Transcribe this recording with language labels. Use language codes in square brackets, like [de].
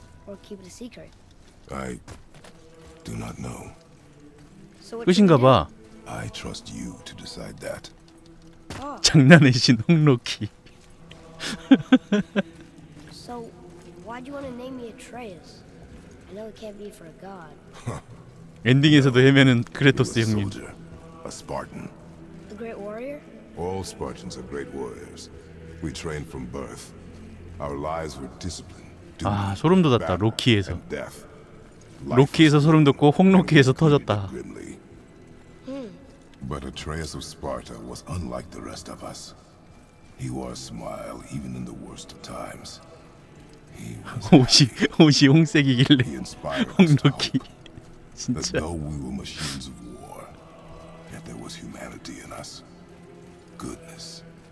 [en] Or keep it a secret? I do not know. [ko] 끝인가 봐. [en] I trust you to decide that. [ko] 장난해신 홍로키. [en] So why do you want to name me Atreus? I know it can't be for a god. [ko] 엔딩에서도 헤매는 크레토스 형님. [en] A Spartan. A great warrior? All Spartans are great warriors. We train from birth. Our lives were discipline. [ko] 아, 소름 돋았다. 로키에서. 로키에서 소름 돋고 홍로키에서 터졌다. [en] But Atreus of Sparta was unlike the rest of us. He wore a smile even in the worst of times. He was a king. He inspired us to hope. That though we were machines of war, yet there was humanity in us. Goodness.